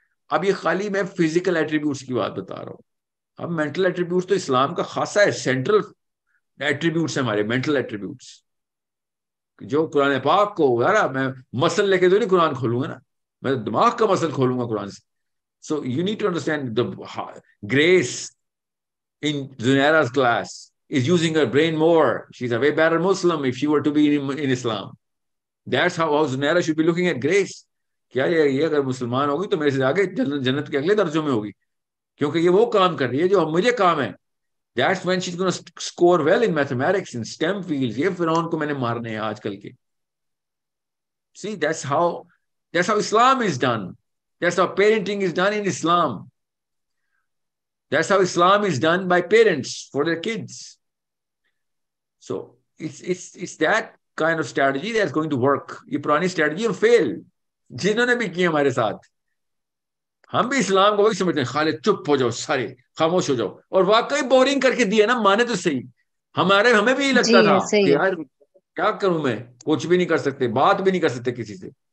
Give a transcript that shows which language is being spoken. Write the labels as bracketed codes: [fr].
[ur] اب یہ خالی میں فزیکل ایٹریبیوٹس کی بات بتا رہا ہوں, اب مینٹل ایٹریبیوٹس تو اسلام کا خاصا ہے, سینٹرل ایٹریبیوٹس ہیں ہمارے مینٹل ایٹریبیوٹس, جو قرآن پاک کو یار میں مسل لے کے تو نہیں قرآن کھولوں گا نا, میں دماغ کا مسل کھولوں گا قرآن سے. [en] So you need to understand the grace in Zunaira class is using her brain more, she is a way better Muslim if she were to be in Islam. That's how Zunaira should be looking at grace, [ur] کیا یہ اگر مسلمان ہوگی تو میرے سے آگے جنت کے اگلے درجوں میں ہوگی, کیونکہ یہ وہ کام کر رہی ہے جو مجھے کام ہے. [en] That's when she's gonna score well in mathematics, in STEM fields. [ur] یہ فرعون کو میں نے مارنے ہیں آج کل کے. [en] See, that's how Islam is done. That's how parenting is done in Islam. That's how Islam is done by parents for their kids. So it's that kind of strategy that's going to work. [ur] یہ پرانی strategy ہم fail. جنہوں نے بھی کی ہمارے ساتھ, ہم بھی اسلام کو وہی سمجھتے ہیں, خالد چپ ہو جاؤ, سارے خاموش ہو جاؤ, اور واقعی بورنگ کر کے دیا نا, مانے تو صحیح, ہمیں بھی لگتا تھا یار کیا کروں میں, کچھ بھی نہیں کر سکتے, بات بھی نہیں کر سکتے کسی سے.